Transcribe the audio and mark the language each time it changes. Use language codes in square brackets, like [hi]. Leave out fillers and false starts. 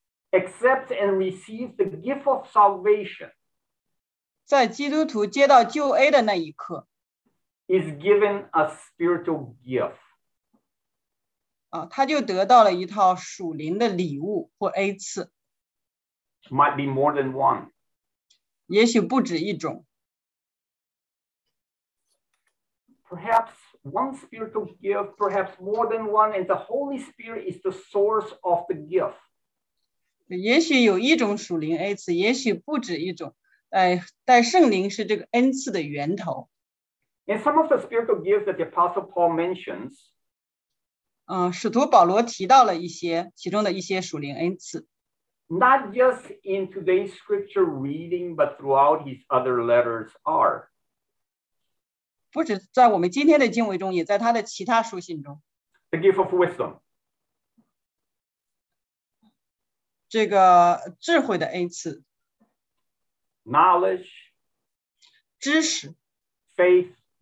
[en] accept and receive the gift of salvation [zh] 在基督徒接到救恩的那一刻 [en] is given a spiritual gift [zh] 他就得到了一套属灵的礼物或恩赐 [en] might be more than one [zh] 也许不止一种 [en] perhapsOne spiritual gift, perhaps more than one, and the Holy Spirit is the source of the gift. [zh] 也许有一种属灵恩赐，也许不止一种。但圣灵是这个恩赐的源头。 [en] In some of the spiritual gifts that the Apostle Paul mentions, [zh] 使徒保罗提到了一些其中的一些属灵恩赐。 [en] Not just in today's scripture reading, but throughout his other letters are. [zh] 不止在我们今天的经文中，也在他的其他书信中。 [en] The gift of wisdom. [zh] 这个智慧的恩赐。 [en] Knowledge. [zh] 知识。 [en] Faith.